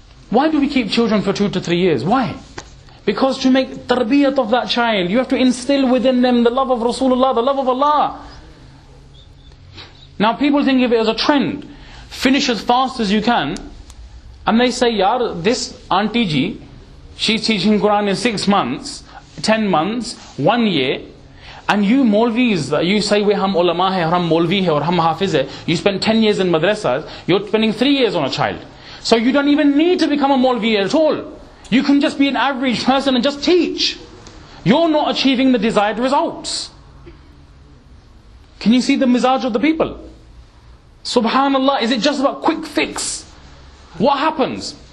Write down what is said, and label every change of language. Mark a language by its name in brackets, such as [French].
[English] Why do we keep children for 2 to 3 years? Why? Because to make tarbiyat of that child, you have to instill within them the love of Rasulullah, the love of Allah. Now people think of it as a trend. Finish as fast as you can. And they say, yaar, this auntie ji, she's teaching Quran in 6 months, 10 months, 1 year. [Urdu] And you maulvis, you say we ہم علما ہے، ہم مولوی ہے، or ہم حافظ ہے. [English] You spend 10 years in madrasas, you're spending 3 years on a child. So you don't even need to become a maulvi at all. You can just be an average person and just teach. You're not achieving the desired results. Can you see the mizaj of the people? Subhanallah, is it just about quick fix? What happens?